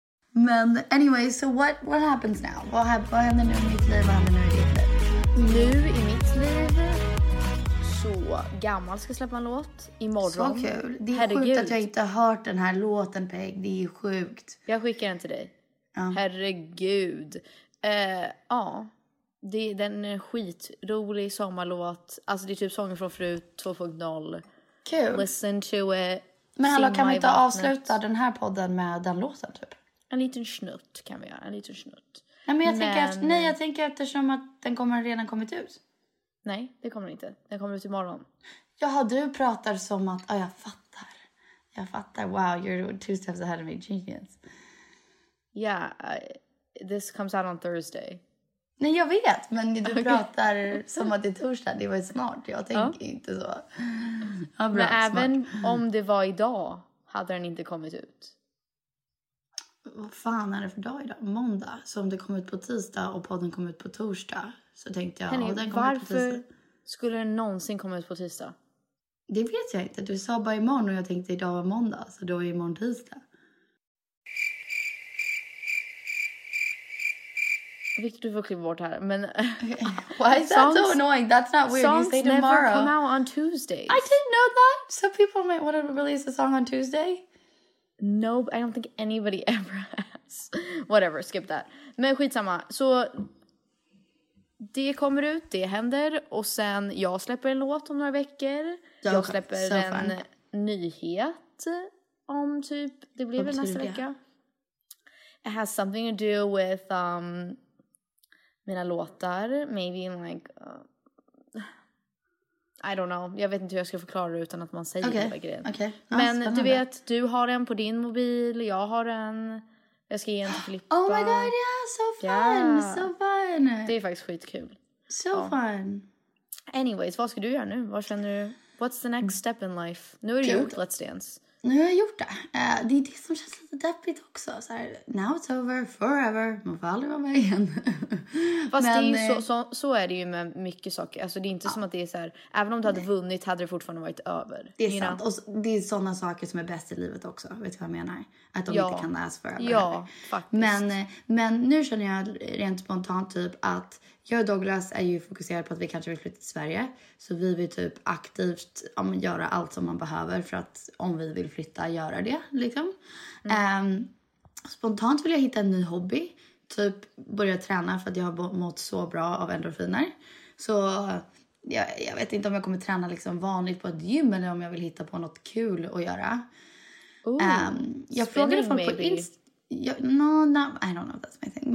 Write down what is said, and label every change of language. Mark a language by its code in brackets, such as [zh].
[en] Men anyway, so what happens now? [sv] Vad händer nu i mitt liv? Vad händer nu i ditt liv? Nu i mitt liv så Gammal ska släppa en låt imorgon. Så kul. Det är herregud. Sjukt att jag inte har hört den här låten, Peg. Det är sjukt. Jag skickar den till dig. Ja. Herregud. Ja. Det är den skitrolig sommarlåt. Alltså det är typ sången från Fru 2.0. Kul. [en] Listen to it. [sv] Men hallå, kan vi inte avsluta den här podden med den låten typ? En liten snutt kan vi göra, en liten snutt. Nej, men jag tänker, jag tänker eftersom att den kommer redan kommit ut. Nej, det kommer inte. Den kommer ut imorgon. Jaha, du pratar som att, jag fattar. Jag fattar, [en] wow, you're two steps ahead of me, genius. Yeah, this comes out on Thursday. [sv] Nej, jag vet, men du pratar som att det är torsdag. Det var ju smart, jag tänker inte så. Ja, bra, men även smart. Om det var idag hade den inte kommit ut. Vad fan är det för dag idag? Måndag. Så om det kom ut på tisdag och podden kom ut på torsdag så tänkte jag... Henning, den kom varför ut på skulle den någonsin komma ut på tisdag? Det vet jag inte. Du sa bara imorgon och jag tänkte idag var måndag. Så då är imorgon tisdag. Victor, du får klippa bort här. Men... [en] Okay. Why is that so annoying? That's not weird. Songs you say tomorrow. Never come out on Tuesdays. I didn't know that. So people might want to release a song on Tuesday. Nope, I don't think anybody ever has. Whatever, skip that. [sv] Men skitsamma. Så det kommer ut, det händer. Och sen jag släpper en låt om några veckor. So jag släpper so en nyhet om typ, det blir väl nästa vecka. [en] It has something to do with [sv] mina låtar. [en] Maybe in like... I don't know. [sv] Jag vet inte hur jag ska förklara det utan att man säger hela grejen. [en] Okay. [sv] Men du vet, du har en på din mobil. Jag har en. Jag ska ge en till Filippa. [en] Oh my god, yeah, so fun. Yeah. So fun. [sv] Det är faktiskt skitkul. [en] So fun. [sv] Anyways, vad ska du göra nu? Vad känner du? [en] What's the next step in life? [sv] Nu har du gjort Let's Dance. Nu har jag gjort det. Det är det som känns lite deppigt också. Så här, [en] now it's over, forever. [sv] Man får aldrig vara med igen. Fast men, det är ju så är det ju med mycket saker. Alltså det är inte som att det är så här... Även om du hade vunnit hade det fortfarande varit över. Det är sant. Know? Och det är sådana saker som är bäst i livet också. Vet du vad jag menar? Att de inte kan [en] last forever. [sv] Ja, faktiskt. Men nu känner jag rent spontant typ att... Jag och Douglas är ju fokuserade på att vi kanske vill flytta till Sverige. Så vi vill typ aktivt göra allt som man behöver för att om vi vill flytta göra det. Liksom. Mm. Spontant vill jag hitta en ny hobby. Typ börja träna för att jag har mått så bra av endorfiner. Så jag vet inte om jag kommer träna liksom vanligt på ett gym eller om jag vill hitta på något kul att göra. Jag frågade folk maybe. På Instagram. [en] No, I don't know if that's my thing.